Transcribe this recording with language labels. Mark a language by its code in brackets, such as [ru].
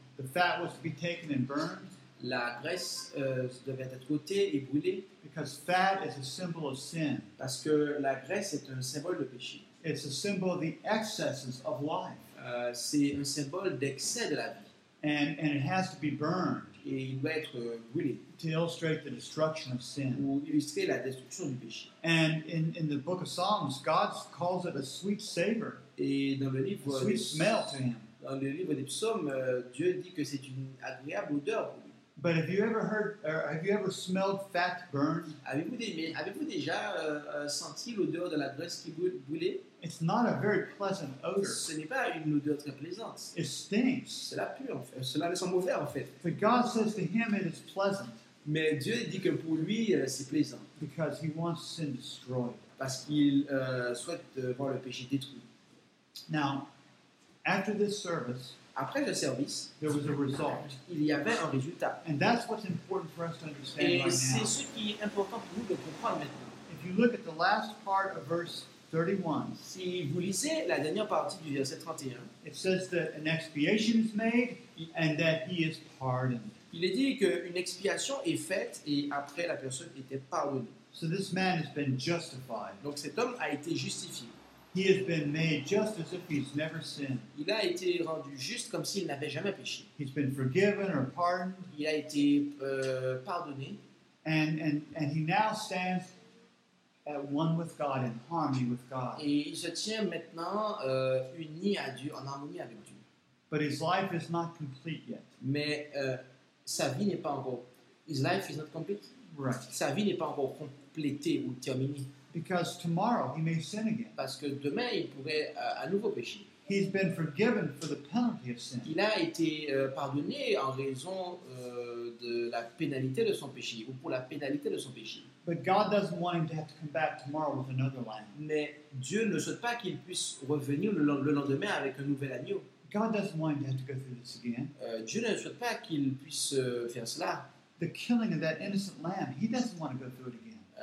[en] The fat was to be taken and burned. [fr] La graisse devait être ôtée et brûlée. [en] Because fat is a symbol of sin. [fr] Parce que la graisse est un symbole de péché. [en] It's a symbol of the excesses of life. [fr] C'est un symbole d'excès de la vie. [en] And it has to be burned. [fr] Et il doit être brûlé. [en] To illustrate the destruction of sin. [fr] Pour illustrer la destruction du péché. [en] And in the book of Psalms, God calls it a sweet savor. [fr] Et dans le livre [en] a sweet smell to him. [fr] Dans le livre des psaumes, Dieu dit que c'est une agréable odeur pour lui. [en] But have you ever heard, or have you ever smelled fat burn? [fr] Avez-vous déjà senti l'odeur de la graisse qui brûlait? [en] It's not a very pleasant odor. [fr] Ce n'est pas une odeur très plaisante. [en] It stinks. [fr] Cela pue en fait. Cela sent mauvais en fait. [en] But God says to him it is pleasant. [fr] Mais Dieu dit que pour lui c'est plaisant. [en] Because he wants sin destroyed. [fr] Parce qu'il souhaite voir le péché détruit. [en] Now, after this service, [fr] après le service, [en] there was a result. [fr] Il y avait un résultat. [en] And that's what's important for us to understand. [fr] Et [en] right now. [fr] Et c'est ce qui est important pour nous de comprendre maintenant. [en] If you look at the last part of verse 31. [fr] Si vous lisez la dernière partie du verset 31, [en] it says that an expiation is made and that he is pardoned. [fr] Il est dit qu'une expiation est faite et après la personne était pardonnée. [en] So this man has been justified. [fr] Donc cet homme a été justifié. [en] He has been made just as if he's never sinned. [fr] Il a été rendu juste comme s'il n'avait jamais péché. [en] He's been forgiven or pardoned. [fr] Il a été pardonné. [en] And he now stands at one with God in harmony with God. [fr] Et il se tient maintenant uni à Dieu, en harmonie avec Dieu. [en] But his life is not complete yet. [fr] Mais sa vie n'est pas encore. [en] His life is not complete. Right. [fr] Sa vie n'est pas encore complétée ou terminée. [en] Because tomorrow he may sin again. [fr] Parce que demain il pourrait à nouveau pécher. [en] He's been forgiven for the penalty of sin. [fr] Il a été pardonné en raison de la pénalité de son péché ou pour la pénalité de son péché. [en] But God doesn't want him to have to come back tomorrow with another lamb. [fr] Mais Dieu ne souhaite pas qu'il puisse revenir le lendemain avec un nouvel agneau. [en] God doesn't want him to have to go through this again. [fr] Dieu ne souhaite pas qu'il puisse faire cela. [en] The killing of that innocent lamb, he doesn't want to go through it again.